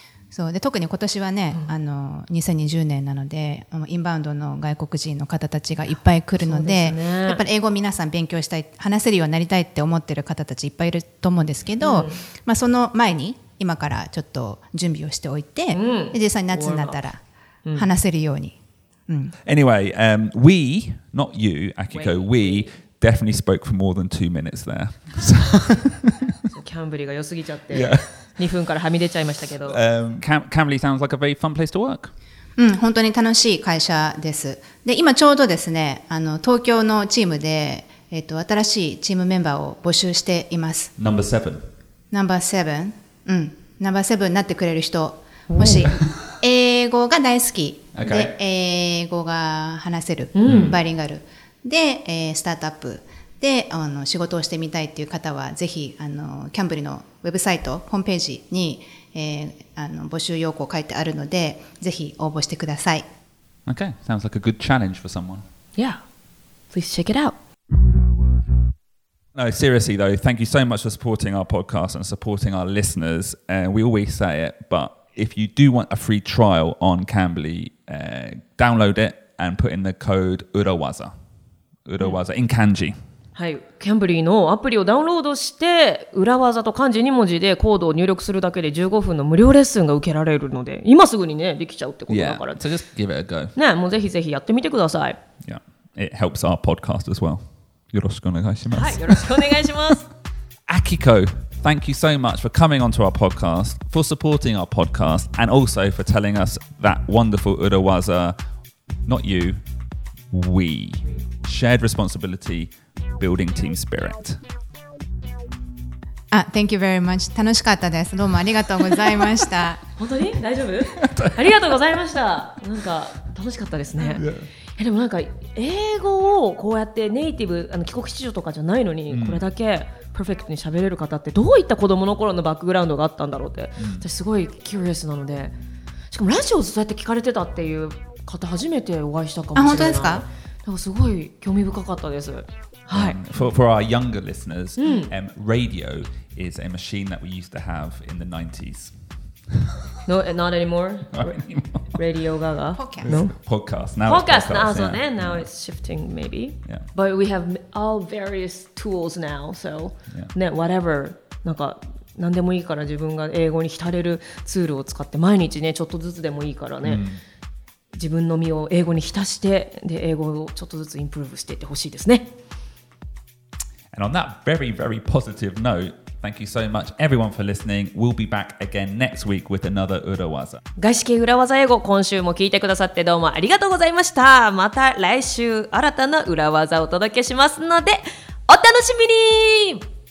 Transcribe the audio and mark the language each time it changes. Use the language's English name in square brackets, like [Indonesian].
[Japanese] そうで特に今年はね、うん、あの2020年なのでインバウンドの外国人の方たちがいっぱい来るの で、やっぱり英語皆さん勉強したい話せるようになりたいって思ってる方たちいっぱいいると思うんですけど、うんまあ、その前に今からちょっと準備をしておいて、うん、実際に夏になったら話せるように、 [English] うん、Anyway,、we, not you, Akiko, we definitely spoke for more than 2 minutes there. [Japanese] キャンブリーが良すぎちゃって、yeah. 2分からはみ出ちゃいましたけど。 [English] Cambly sounds like a very fun place to work. [Japanese] うん、本当に楽しい会社です。で、今ちょうどですね、あの東京のチームで、新しいチームメンバーを募集しています。 [English] Number seven. Number seven. [Japanese] うん、 [English] Number seven [Japanese] になってくれる人、もし英語が大好き、 [English] okay. [Japanese] で英語が話せる、バイリンガルで、スタートアップであの仕事をしてみたいっていう方はぜひあのキャンブリのウェブサイトホームページに、あの募集要項書いてあるのでぜひ応募してください。 [English] OK, sounds like a good challenge for someone. Yeah, please check it out. No, seriously though, thank you so much for supporting our podcast and supporting our listeners. We always say it, but if you do want a free trial on Cambly, download it and put in the code URAWAZA URAWAZA in kanji [Japanese] はい、キャンブリーのアプリをダウンロードして裏技と漢字2文字でコードを入力するだけで15分の無料レッスンが受けられるので今すぐにねできちゃうってことだから、 [English] yeah. So just give it a go. [Japanese] ね、もうぜひぜひやってみてください。 [English] Yeah, it helps our podcast as well. [Japanese] よろしくお願いします。はい、よろしくお願いします。 [English] Akiko, thank you so much for coming onto our podcast, for supporting our podcast, and also for telling us that wonderful 裏技 not you, we shared responsibilityBuilding team spirit. Ah, thank you very much. [Japanese] 楽しかったです。どうもありがとうございました。本当に？大丈夫？ありがとうございました。なんか楽しかったですね。 [English] Yeah. [Japanese] え、でもなんか英語をこうやってネイティブ、あの帰国子女とかじゃないのに、mm. これだけパーフェクトに喋れる方ってどういった子供の頃のバックグラウンドがあったんだろうって、mm. 私すごい curious なので、しかもラジオをそうやって聞かれてたっていう方初めてお会いしたかもしれない。あ、本当ですか？なんかすごい興味深かったです。 [English] For our younger listeners, radio is a machine that we used to have in the 90s. No, not anymore. Not anymore. Radio Gaga. Podcast. No? Podcast. Now podcast. It's podcast. Now, yeah. So now it's shifting maybe. Yeah. But we have all various tools now. So yeah. Whatever. なんか [Japanese] 何でもいいから自分が英語に浸れるツールを使って毎日ねちょっとずつでもいいからね、うん、自分の身を英語に浸してで英語をちょっとずつインプルーブしていってほしいですね。 [English] And on that very very positive note, thank you so much everyone for listening. We'll be back again next week with another 裏技。 [Japanese] 外資系裏技英語、今週も聞いてくださってどうもありがとうございました。また来週新たな裏技をお届けしますのでお楽しみに。